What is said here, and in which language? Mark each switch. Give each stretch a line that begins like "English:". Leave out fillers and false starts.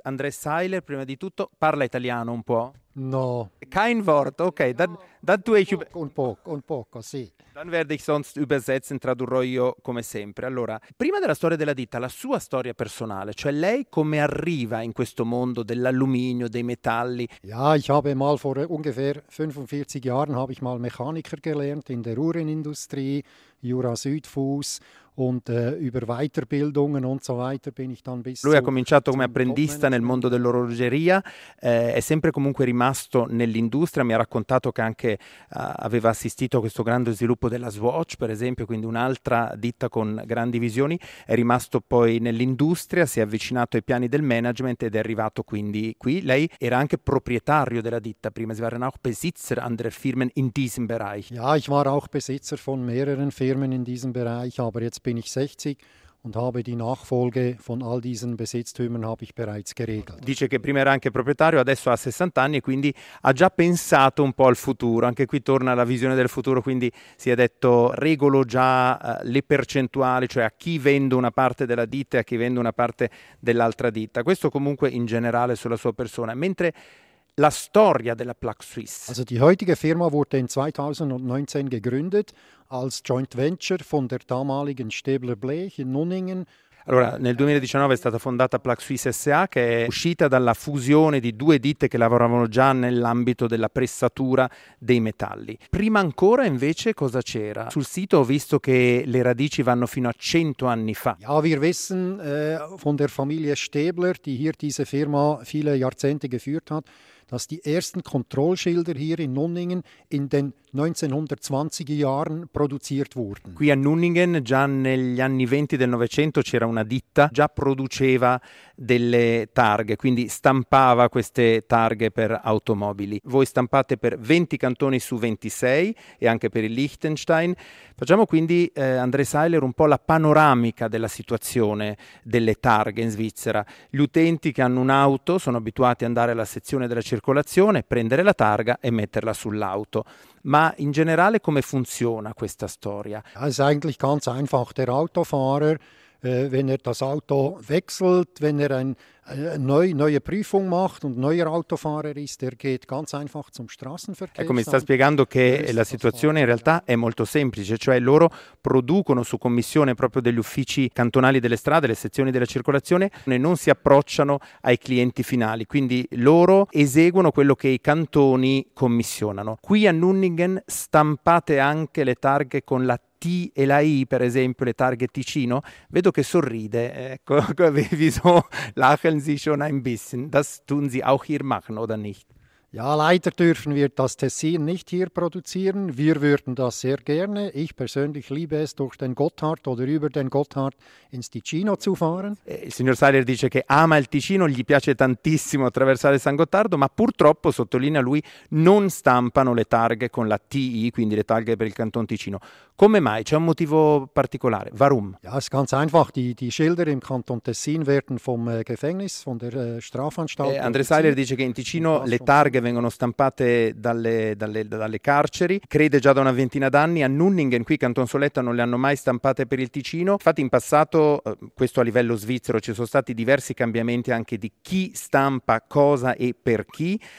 Italian: André Seiler, prima di tutto, parla italiano un po'? No.
German: Kein Wort, ok.
Italian: Un poco, sì.
German: Dann werde ich sonst übersetzen,
Italian: tradurrò io come sempre. Allora, prima della storia della ditta, la sua storia personale, cioè lei come arriva in questo mondo dell'alluminio, dei metalli?
German: Ja, ich habe mal vor ungefähr 45 Jahren habe ich mal Mechaniker gelernt in der Uhrenindustrie, Jura Südfuss. Und über Weiterbildungen und so weiter bin ich dann bis
Italian: Lui ha cominciato come apprendista nel mondo dell'orologeria, è sempre comunque rimasto nell'industria, mi ha raccontato che anche aveva assistito a questo grande sviluppo della Swatch, per esempio, quindi un'altra ditta con grandi visioni, è rimasto poi nell'industria, si è avvicinato ai piani del management ed è arrivato quindi qui. Lei era anche proprietario della ditta prima,
German: sie waren auch Besitzer anderer Firmen in diesem Bereich. Ja, ich war auch Besitzer von mehreren Firmen in diesem Bereich, aber jetzt bin ich 60 und habe die Nachfolge von all diesen Besitztümern habe ich bereits geregelt.
Italian: Dice che prima era anche proprietario, adesso ha 60 anni e quindi ha già pensato un po' al futuro. Anche qui torna la visione del futuro, quindi si è detto regolo già le percentuali, cioè a chi vendo una parte della ditta e a chi vendo una parte dell'altra ditta. Questo comunque in generale sulla sua persona. Mentre la storia della Plug Swiss.
German: Also die heutige Firma wurde in 2019 gegründet als Joint Venture von der damaligen Stäbler Blech in Nunningen.
Italian: Allora, nel 2019 è stata fondata Plug Swiss SA, che è uscita dalla fusione di due ditte che lavoravano già nell'ambito della pressatura dei metalli. Prima ancora, invece, cosa c'era? Sul sito ho visto che le radici vanno fino a 100 anni fa.
German: Ja, wir wissen von der Familie Stäbler, die hier diese Firma viele Jahrzehnte geführt hat, dass die ersten Kontrollschilder hier in Nunningen in den 1920er Jahren produziert wurden.
Italian: Qui a Nunningen, già negli anni 20 del Novecento, c'era una ditta, già produceva delle targhe, quindi stampava queste targhe per automobili. Voi stampate per 20 cantoni su 26 e anche per il Liechtenstein. Facciamo quindi, André Seiler, un po' la panoramica della situazione delle targhe in Svizzera. Gli utenti che hanno un'auto sono abituati ad andare alla sezione della circolazione, prendere la targa e metterla sull'auto. Ma in generale come funziona questa storia?
German: È eigentlich ganz einfach. Der Autofahrer, wenn er das Auto wechselt, wenn er eine neue Prüfung macht und neuer Autofahrer ist, der geht ganz einfach zum Straßenverkehr.
Italian: Ecco, mi sta spiegando che la situazione in realtà è molto semplice, cioè loro producono su commissione proprio degli uffici cantonali delle strade, le sezioni della circolazione, e non si approcciano ai clienti finali, quindi loro eseguono quello che i cantoni commissionano. Qui a Nunningen stampate anche le targhe con la T e la I, per esempio, le targhe Ticino, vedo che sorride, ecco,
German: wieso lachen Sie schon ein bisschen? Das tun Sie auch hier machen, oder nicht? Ja, leider dürfen wir das Tessin nicht hier produzieren. Wir würden das sehr gerne. Ich persönlich liebe es, durch den Gotthard oder über den Gotthard ins Ticino zu fahren.
Italian: Il signor Seiler dice che ama il Ticino, gli piace tantissimo attraversare San Gottardo, ma purtroppo, sottolinea lui, non stampano le targhe con la TI, quindi le targhe per il Canton Ticino. Come mai? C'è un motivo particolare.
German: Warum? Ja, es ist ganz einfach. Die Schilder im Canton Tessin werden vom Gefängnis, von der Strafanstalt.
Italian: André Seiler dice che in Ticino le targhe vengono stampate dalle carceri, crede già da una ventina d'anni. A Nunningen, qui Canton Soletta, non le hanno mai stampate per il Ticino. Infatti in passato, questo a livello svizzero, ci sono stati diversi cambiamenti anche di chi stampa cosa e per chi.